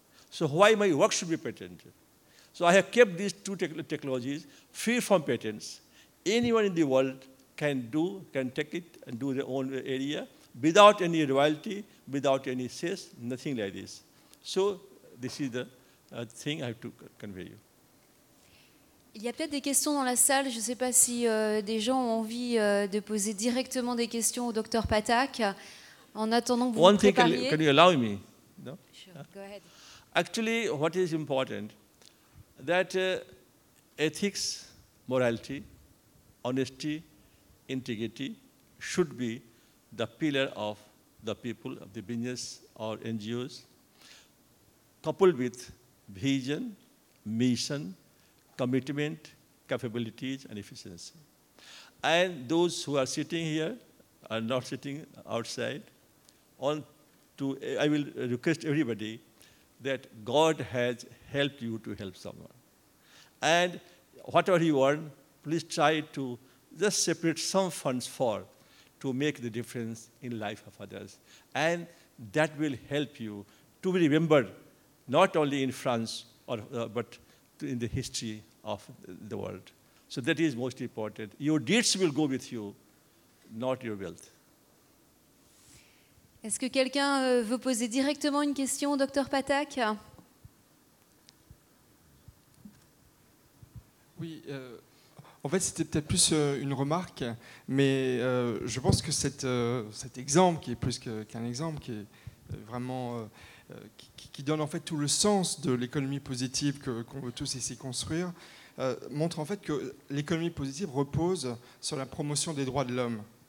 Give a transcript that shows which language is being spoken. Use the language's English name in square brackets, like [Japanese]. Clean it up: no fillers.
[English] So why my work should be patented? So I have kept these two technologies free from patents. Anyone in the world can take it and do their own area without any royalty, without any sales, nothing like this. So this is the thing I have to convey you. [French] Il y a peut-être des questions dans la salle. Je ne sais pas si des gens ont envie de poser directement des questions au docteur Patak. En attendant que vous vous prépariez. [English] One thing, can you allow me? No? Sure, go ahead. Actually, what is important, that ethics, morality, honesty, integrity should be the pillar of the people, of the business or NGOs, coupled with vision, mission, commitment, capabilities, and efficiency. And those who are sitting here are not sitting outside. I will request everybody that God has helped you to help someone. And whatever you earn, please try to just separate some funds for to make the difference in life of others. And that will help you to be remembered, not only in France, but in the history of the world. So that is most important. Your deeds will go with you, not your wealth. [French] Est-ce que quelqu'un veut poser directement une question au docteur Patak? Oui, en fait, c'était peut-être plus une remarque, mais je pense que cet exemple, qui est plus qu'un exemple, qui est vraiment qui donne en fait tout le sens de l'économie positive qu'on veut tous ici construire, montre en fait que l'économie positive repose sur la promotion des droits de l'homme.